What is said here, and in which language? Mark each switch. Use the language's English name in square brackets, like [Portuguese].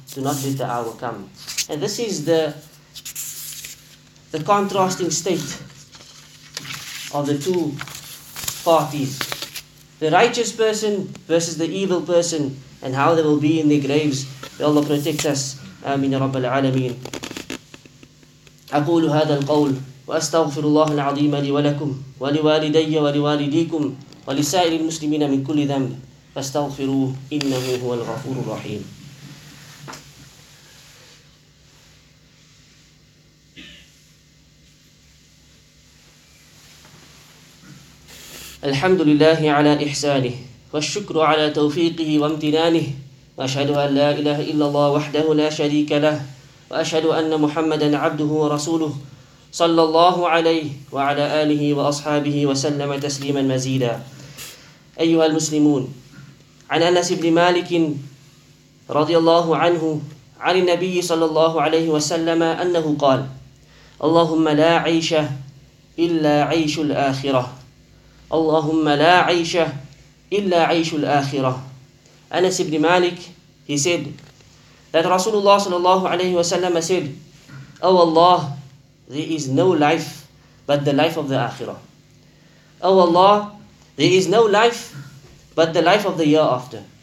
[English] Do not let the hour come. And this is the contrasting state of the two parties. The righteous person versus the evil person, and how they will be in their graves. May Allah protect us. Amin ya Rabbil Alameen. [Arabic] أقول هذا القول وأستغفر الله العظيم لي ولكم ولوالدي ولوالديكم ولسائر المسلمين من كل ذنب فاستغفروه إنه هو الغفور الرحيم. الحمد لله على إحسانه والشكر على توفيقه وامتنانه وأشهد أن لا إله إلا الله وحده لا شريك له وأشهد أن محمدا عبده ورسوله صلى الله عليه وعلى آله وأصحابه وسلم تسليما مزيدا. أيها المسلمون، عن أنس بن مالك رضي الله عنه عن النبي صلى الله عليه وسلم أنه قال: اللهم لا عيش إلا عيش الآخرة، اللهم لا عيش إلا عيش الآخرة. [English] Anas ibn Malik, he said that Rasulullah sallallahu alayhi wa sallam said, oh Allah, there is no life but the life of the Akhirah. Oh Allah, there is no life but the life of the year after.